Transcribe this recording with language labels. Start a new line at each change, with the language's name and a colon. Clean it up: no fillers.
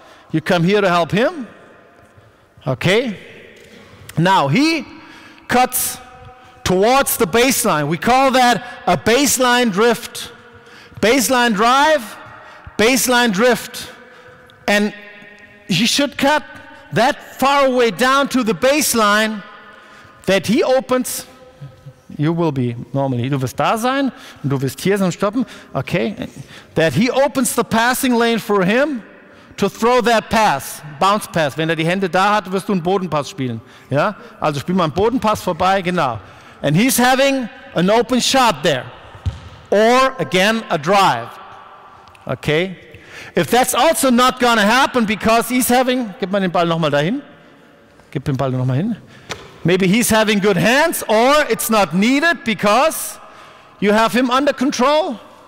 English: You come here to help him. Okay? Now, he cuts towards the baseline. We call that a baseline drift. Baseline drive, baseline drift. And he should cut that far away down to the baseline that he opens. You will be normally.
German: Du wirst da sein, du wirst hier sein, stoppen. Okay.
English: That he opens the passing lane for him to throw that pass, bounce pass.
German: Wenn er die Hände da hat, wirst du einen Bodenpass spielen. Ja? Also spiel mal einen Bodenpass vorbei, genau.
English: And he's having an open shot there. Or, again, a drive. Okay. If that's also not gonna happen, because he's having...
German: Gib mal den Ball nochmal dahin. Gib den Ball nochmal hin.
English: Maybe he's having good hands, or it's not needed because you have him under control.